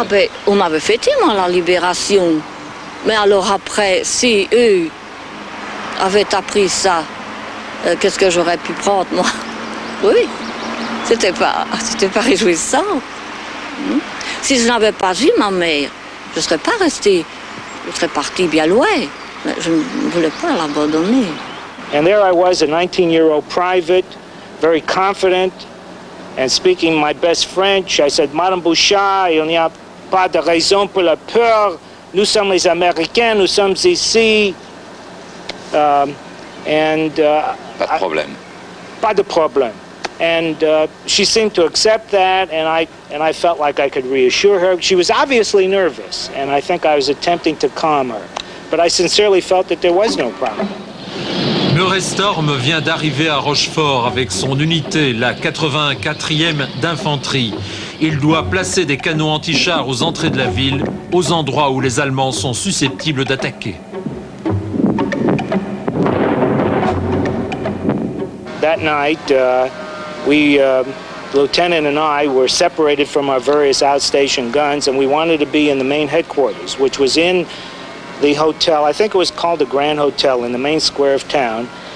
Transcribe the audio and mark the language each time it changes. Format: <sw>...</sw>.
<fr>Ah ben, on m'avait fêté, moi, la libération. Mais alors après, si eux avaient appris ça, qu'est-ce que j'aurais pu prendre, moi? Oui, c'était pas réjouissant. Si je n'avais pas vu ma mère, je serais pas restée. Je serais partie bien loin. Mais je ne voulais pas l'abandonner.</fr> <en>And there I was, a 19-year-old private, very confident, and speaking my best French. I said,</en> <fr>Madame Bouchard, il n'y a pas de raison pour la peur. Nous sommes les Américains, nous sommes ici. Pas de problème. Pas de problème.</fr> <en>And she seemed to accept that, and I felt like I could reassure her. She was obviously nervous, and I think I was attempting to calm her. But I sincerely felt that there was no problem.</en> <fr>Murray Storm vient d'arriver à Rochefort avec son unité, la 84e d'infanterie. Il doit placer des canons anti-chars aux entrées de la ville, aux endroits où les Allemands sont susceptibles d'attaquer.</fr> <en>That night, the lieutenant and I were separated from our various outstation guns, and we wanted to be in the main headquarters, which was in the hotel, I think it was called the Grand Hotel, in the main square of town.</en>